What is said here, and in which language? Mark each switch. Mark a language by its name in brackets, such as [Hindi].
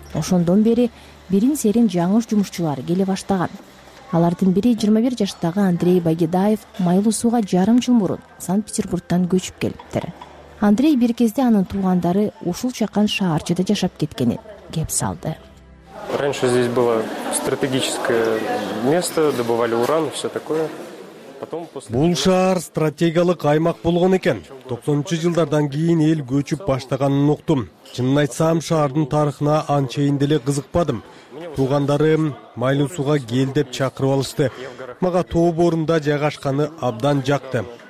[Kyrgyz] Ошондон бери бирин серин жаңы жумушчулар келе баштаган. Алардын бири 21 жаштагы Андрей Багидаев майлуу сууга 1.5 жыл мурун Санкт-Петербургтан көчүп келиптир. Андрей бир кезде анын туугандары ушул чакан шаарчада жашап кеткенин кеп салды. [Russian] Раньше здесь было стратегическое место, добывали уран и все такое. [Kyrgyz] Бул шаар стратегиялык аймак болгон экен. 90-жы жылдардан кийин эл көчүп баштаганын уктум. Чынын айтсам, шаардын тарыхына анчейин деле кызыкпадым. Туугандарым майлуу сууга кел деп чакырып алышты. Мага тоо боорунда жайгашканы абдан жакты.